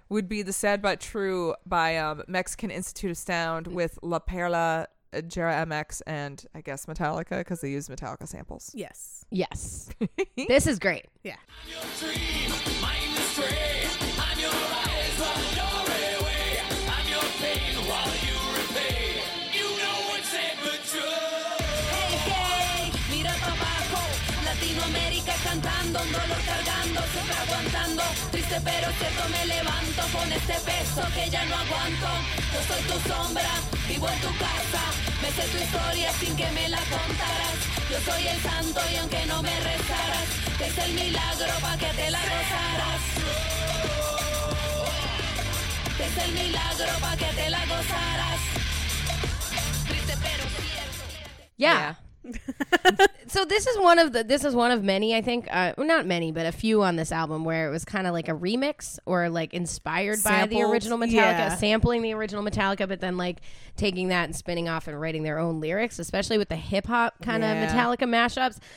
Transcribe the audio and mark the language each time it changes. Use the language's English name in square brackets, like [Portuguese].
[English] Would be the Sad But True by Mexican Institute of Sound with La Perla, Jera MX, and I guess Metallica, because they use Metallica samples. Yes. Yes. This is great. Yeah. I'm your dream, mine is free. I'm your eyes, I'm your airway. I'm your pain while you repay. You know what's said but true. [Spanish] Hey, hey, mira pa' abajo. Latinoamérica cantando, dolor cargando, siempre aguantando. Triste pero cierto me levanto con este peso que ya no aguanto. Yo soy tu sombra, vivo en tu casa. Me sé tu historia sin que me la contaras. Yo soy el santo y aunque no me rezaras, es el milagro pa' que te la gozaras. Es el milagro pa' que te la gozaras. Triste pero cierto. Yeah. Yeah. [English] So this is one of many I think not many but a few on this album where it was kind of like a remix or like inspired sampled, by the original Metallica yeah. sampling the original Metallica but then like taking that and spinning off and writing their own lyrics, especially with the hip-hop kind of yeah. Metallica mashups.